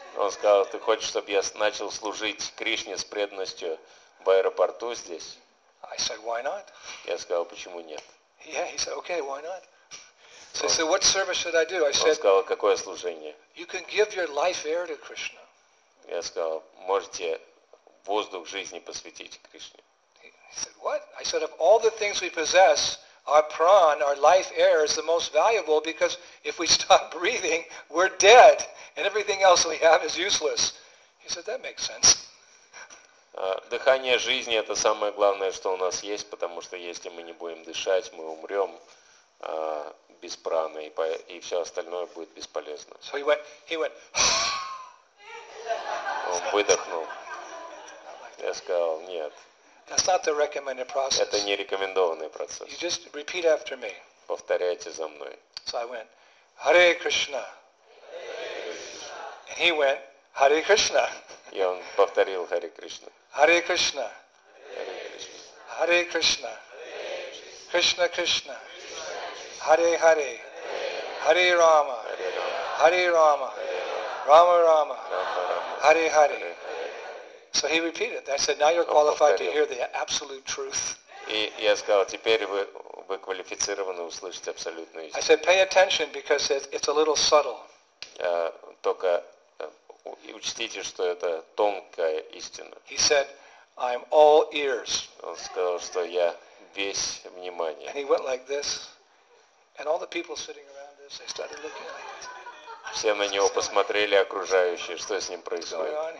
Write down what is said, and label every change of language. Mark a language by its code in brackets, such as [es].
[ru] Он сказал, ты хочешь, чтобы я начал служить Кришне с преданностью в аэропорту здесь? [en] I said, "Why not?" [ru] Я сказал, почему нет? [en] Yeah, he said, "Okay, why not?" So I said, "What service should I do?" I said, [ru] "Он сказал, какое служение?" [en] You can give your life air to Krishna. [ru] Я сказал, можете воздух жизни посвятить Кришне. [en] He said, "What?" I said, "Of all the things we possess, our prana, our life air, is the most valuable because if we stop breathing, we're dead, and everything else we have is useless." He said, "That makes sense." [ru] Дыхание жизни – это самое главное, что у нас есть, потому что если мы не будем дышать, мы умрем без праны, и все остальное будет бесполезно. [en] So he went, [ru] Он выдохнул. Я сказал, нет. [en] That's not the recommended process. [ru] Это не рекомендованный процесс. [en] You just repeat after me. [ru] Повторяйте за мной. [en] So I went, Hare Krishna. [sa] Hare Krishna. [en] He went, Hare Krishna. [ru] И он повторил Hare Krishna. [sa] Hare Krishna. Hare Krishna. Hare Krishna. Krishna Krishna. Hare Hare. Hare Rama. Hare Rama. Hare Rama. Rama Rama. Hare Hare. [en] So he repeated that. I said, now you're qualified to hear the absolute truth. [ru] И я сказал, теперь вы квалифицированы услышать абсолютную истину. [en] I said, pay attention because it's a little subtle. [ru] Только учтите, что это тонкая истина. [en] He said, I'm all ears. [ru] Он сказал, что я весь внимание. [en] And he went like this. And all the people sitting around this, they started looking like this. [ru] Все на него посмотрели, окружающие, что с ним происходит.